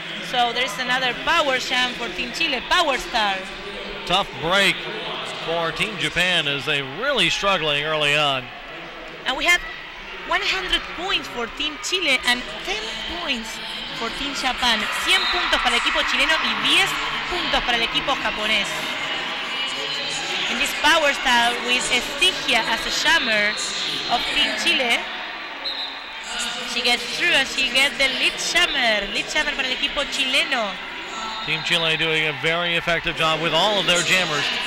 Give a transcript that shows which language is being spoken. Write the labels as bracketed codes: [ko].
[en] So there's another power jam for Team Chile, Power Star. Tough break for Team Japan as they really struggling early on. And we have 100 points for Team Chile and 10 points for Team Japan. [es] 100 puntos para el equipo chileno y 10 puntos para el equipo japonés. [en] In this power style with Stygia as a jammer of Team Chile, she gets through and she gets the lead jammer. [es] Lead jammer para el equipo chileno. [en] Team Chile doing a very effective job with all of their jammers.